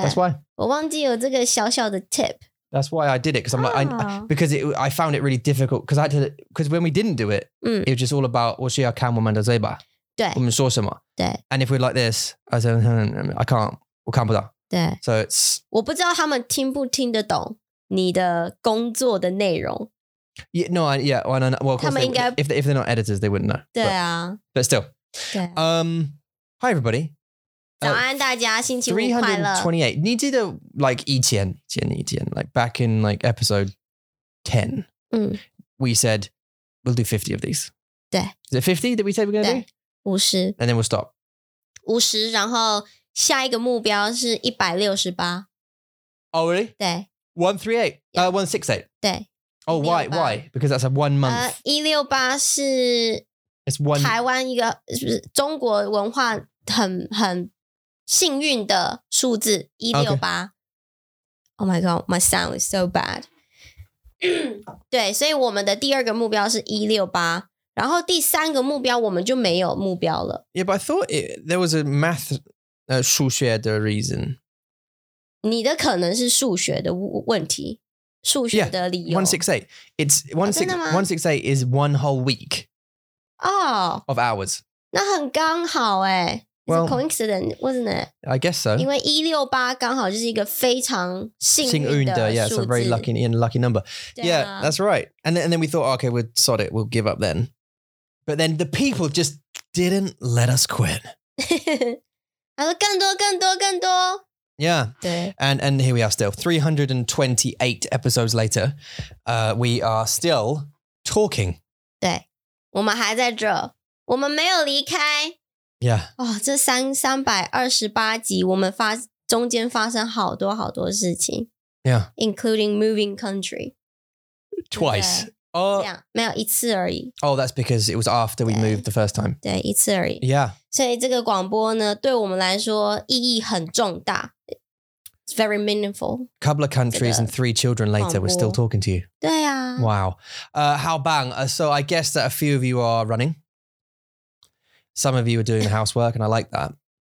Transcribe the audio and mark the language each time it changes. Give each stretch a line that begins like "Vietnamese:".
English: That's why.
Chinese: 我忘记有这个小小的 tip.
English: That's why I did it. Because I'm like, I found it really difficult. Because when we didn't do it, it was just all about,
Chinese: 我需要看我们的嘴巴。对。我们说什么。对。
English: And if we're like this, I said, I can't,
Chinese: 我看不到。对。
English: So it's...
Chinese: 我不知道他们听不听得懂你的工作的内容。
English: Yeah, no, yeah, well, of course, if they're not editors, they wouldn't know.
Chinese: 对啊。
English: But still.
Chinese: 对。
English: Hi, everybody.
Chinese: 早安大家，星期五快乐。
English: 328,
Chinese: 你记得
English: like
Chinese: 以前,
English: like back in like episode 10, we said, we'll do 50 of these.
Chinese: 对。
English: Is it 50 that we said we're going to do? 50. And then we'll stop.
Chinese: 50, 然后下一个目标是168.
English: Oh, really?
Chinese: 对。 138, 168. 对。
English: Oh, why? Because that's a 1 month.
Chinese: 168是
English: it's one,
Chinese: 台湾一个中国文化很幸运的数字168、okay.
English: Oh my god, my sound is so bad.
Chinese: 对，所以我们的第二个目标是168，然后第三个目标我们就没有目标了。
English: Yeah, but I thought there was a math
Chinese: 数学的
English: reason.
Chinese: 你的可能是数学的问题。数学的理由
English: 168. It's 168 is one whole week. Oh, of hours.
Chinese: 那很刚好欸。
English: Well, it's a coincidence, wasn't it? I guess so.
Chinese: 因为168刚好就是一个非常幸运的
English: yeah, it's a very lucky number. Yeah, that's right. And then we thought, okay, we'll sod it, we'll give up then. But then the people just didn't let us quit.
Chinese: 他说更多更多更多。
English: Yeah, and here we are still, 328 episodes later, we are still talking.
Chinese: 对，我们还在这，我们没有离开。
English: Yeah.
Chinese: 哦，这328集，我们中间发生好多好多事情。
English: Yeah. Including moving country. Twice.
Chinese: 没有一次而已。
English: Oh, that's because it was after we moved the first time.
Chinese: 对，一次而已。
English: Yeah.
Chinese: 所以这个广播呢，对我们来说意义很重大。
English: It's very meaningful. A couple of countries and three children later, we're still talking to you. Yeah. Wow. How bang? So I guess that a few of you are running. Some of you are doing the housework and I like that.